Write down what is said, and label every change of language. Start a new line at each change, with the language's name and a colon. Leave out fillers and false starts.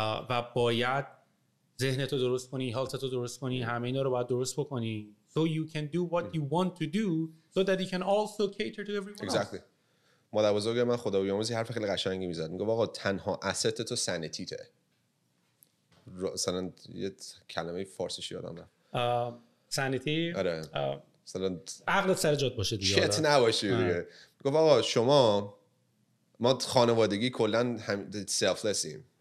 Persian: و باید ذهنتو درست کنی، حالتتو درست کنی، همه اینا رو باید درست بکنی.
English: So you can do what you want to do so that you can also cater to everyone. Exactly.
Persian: مادر بزرگ من خدا بیاموزی حرف خیلی قشنگی میزد. میگه آقا تنها asset تو سنتیته. مثلا یه کلمه فارسی یادم رفت. سنتی؟ آره. مثلا عقلت سر جات باشه دیگه. چت نباشی دیگه. میگه آقا شما ما خانوادگی کلا هم سلفلسیم.